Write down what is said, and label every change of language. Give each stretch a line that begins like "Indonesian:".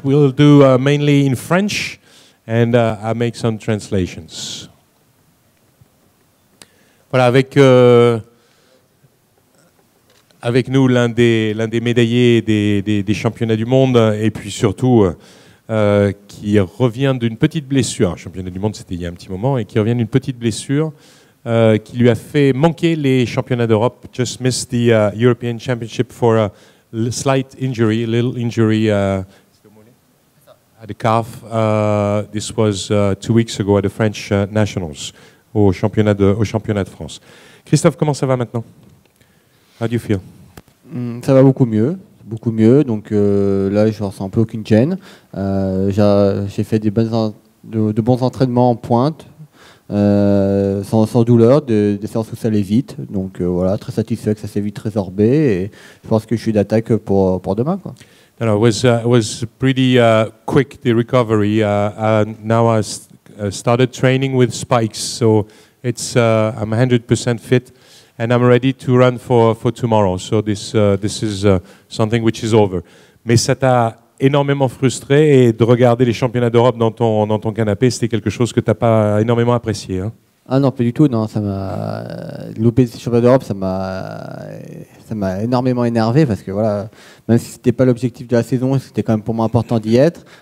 English: We'll do mainly in French, and I'll make some translations.
French: Voilà, avec, avec nous l'un des médaillés des championnats du monde, et puis surtout qui revient d'une petite blessure. Championnat du monde, c'était il y a un petit moment, et qui revient d'une petite blessure qui lui a fait manquer les championnats d'Europe.
English: Just missed the European Championship for a slight injury, a little injury at the calf. This was 2 weeks ago at the French Nationals.
French: Au championnat de France. Christophe, comment ça va maintenant?
English: How do you feel?
French: Ça va beaucoup mieux. Donc là, je ne ressens plus aucune gêne. J'ai fait de bons entraînements en pointe, sans douleur, des séances où ça allait vite. Donc voilà, très satisfait que ça s'est vite résorbé. Et je pense que je suis d'attaque pour demain, quoi.
English: No, it was pretty quick, the recovery. Now I started training with spikes, so I'm 100% fit, and I'm ready to run for tomorrow. So this is something which is over.
French: Mais ça t'a énormément frustré, et de regarder les championnats d'Europe dans ton canapé, c'était quelque chose que t'as pas énormément apprécié, hein? Ah non, pas du tout. Non, ça m'a loupé ces championnats d'Europe. Ça m'a énormément énervé, parce que voilà, même si c'était pas l'objectif de la saison, c'était quand même pour moi important d'y être.